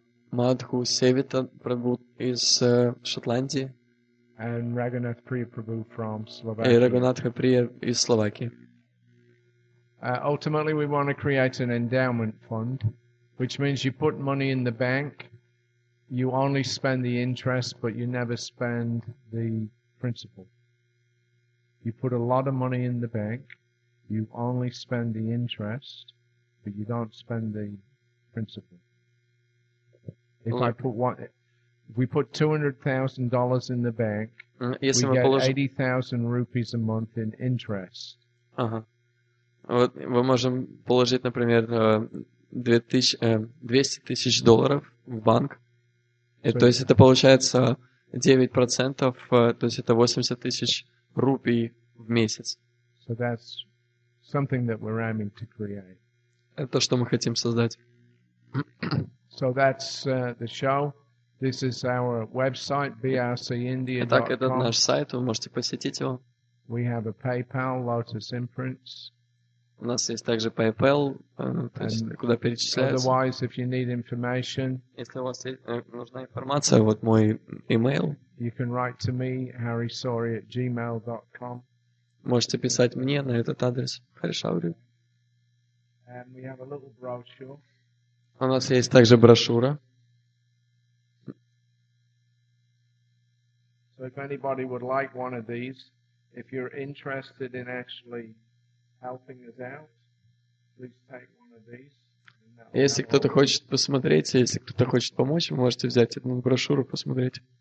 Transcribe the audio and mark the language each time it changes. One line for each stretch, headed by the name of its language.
Russian: Мадху Севита Прабху из Шотландии.
English: And Raghunath Priya Prabhu from
Russian: Slovakia. И Рагунатха Прия из Словакии.
English: Ultimately, we want to create an endowment fund, which means you put money in the bank, you only spend the interest, but you never spend the principal. You put a lot of money in the bank, you only spend the interest, but you don't spend the principal. If we put $200,000 in the bank,
Russian: если
English: we get 80,000 rupees a month in interest.
Russian: Вот мы можем положить, например, $200,000 в банк. То есть это получается 9%, то есть это 80,000 рупий в месяц.
English: So that's something that we're aiming to create.
Russian: Это то, что мы хотим создать.
English: So that's the show. This is our website, brcindia.com.
Russian: Итак, это наш сайт, вы можете посетить его.
English: We have a PayPal, Lotus Imprints.
Russian: У нас есть также PayPal, то есть and куда перечисляется.
English: Otherwise, if you need information,
Russian: если у вас нужна информация, вот мой email.
English: You can write to me, harrysori@gmail.com.
Russian: Можете писать мне на этот адрес, harrysori.
English: And we have a little brochure.
Russian: У нас есть также брошюра.
English: So if anybody would like one of these, if you're interested in actually helping us out, please take one of these.
Russian: Если кто-то хочет посмотреть, если кто-то хочет помочь, вы можете взять одну брошюру, посмотреть.